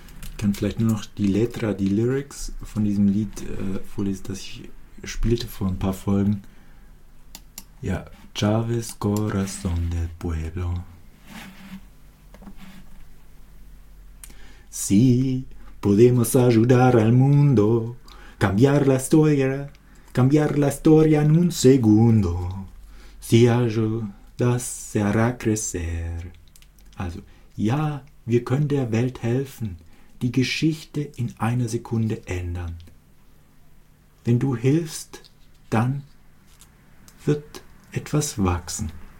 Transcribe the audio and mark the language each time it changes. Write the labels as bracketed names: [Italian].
[German] Ich kann vielleicht nur noch die Letra, die Lyrics von diesem Lied vorlesen, das ich spielte vor ein paar Folgen. [Spanish] Ja, Chávez, corazón del pueblo. Sí, podemos ayudar al mundo, cambiar la historia en un segundo. Si ayudas, se hará crecer. [German] Also, ja, wir können der Welt helfen. Die Geschichte in einer Sekunde ändern. Wenn du hilfst, dann wird etwas wachsen.